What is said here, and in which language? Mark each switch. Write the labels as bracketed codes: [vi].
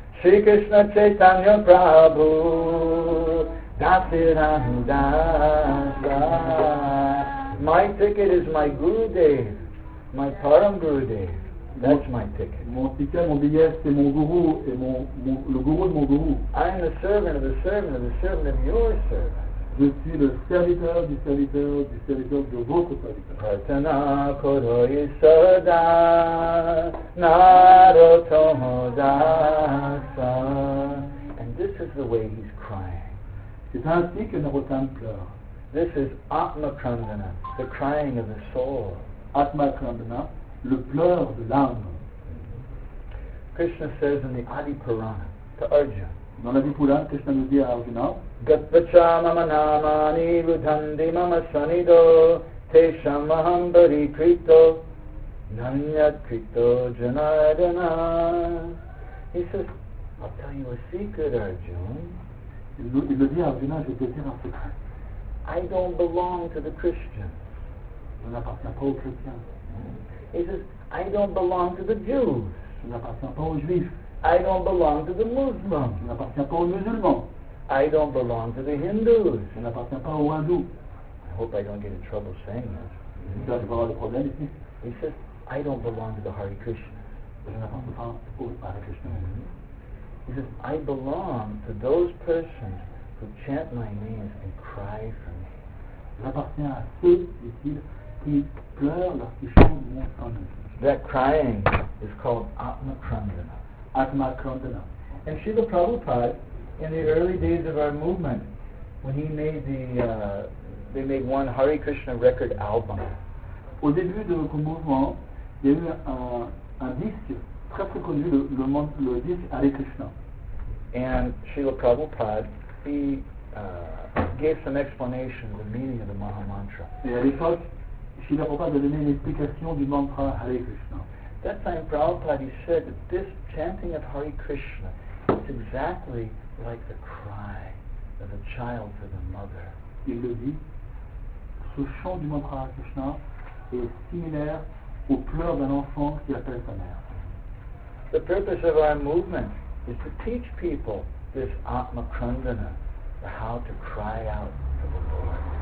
[bn] Shri Krishna Chaitanya Prabhu Dasi Ram Dasa. [en] My ticket is my Gurudev, my Param Gurudev. That's my ticket. [fr] Mon ticket, mon billet, c'est mon gourou et mon le gourou de mon gourou. [en] I am the servant of the servant of the servant of your servant. [fr] Je suis le serviteur du serviteur du serviteur de votre serviteur. [bn] Ratana koroi sada narotomo dasa. [en] And this is the way he's crying. [fr] C'est ainsi que Narottam pleure. [en] This is atmakrandana, the crying of the soul. [fr] Atmakrandana, le pleur de l'âme. [en] Krishna says in the Adi Purana to Arjuna. [fr] Dans la Vipurana, Krishna nous dit à Arjuna. [sa] Gatvacha mama namani rudhandi mama sanido te shamaham bari krito nanyat krito janadana. [en] He says, I'll tell you a secret, Arjuna. [fr] Il le dit à Arjuna, je te dis un secret. [en] I don't belong to the Christians. [fr] Je n'appartiens pas aux chrétiens. [en] He says, I don't belong to the Jews. [fr] Je n'appartiens pas aux juifs. [en] I don't belong to the Muslims. [fr] Je n'appartiens pas aux musulmans. [en] I don't belong to the Hindus. [fr] Je n'appartiens pas aux hindous. [en] I hope I don't get in trouble saying that. [fr] Mm-hmm. Ça, je vais avoir des problèmes ici. [en] He says, I don't belong to the Hare Krishna. [fr] Je n'appartiens pas aux Hare Krishna. Mm-hmm. [en] He says, I belong to those persons who chant my names and cry for me. [fr] J'appartiens à ceux, dit-il, qui pleurent lorsqu'ils chantent mon nom. [en] That crying is called Atma Krandana. [sa] Atma Krandana. [en] And Srila Prabhupada, in the early days of our movement, when he made the, they made one Hare Krishna record album. [fr] Au début de notre mouvement, il y a eu un disque très très connu, le disque Hare Krishna. [en] And Srila Prabhupada, he gave some explanation of the meaning of the Maha Mantra. [fr] Et à l'époque, Srila Prabhupada a donné une explication du mantra Hare Krishna. [en] That time Prabhupada said that this chanting of Hare Krishna is exactly like the cry of a child to the mother. [fr] Il le dit, ce chant du mantra Hare Krishna est similaire au pleur d'un enfant qui appelle sa mère. [en] The purpose of our movement is to teach people this Atma Krandana, how to cry out to the Lord.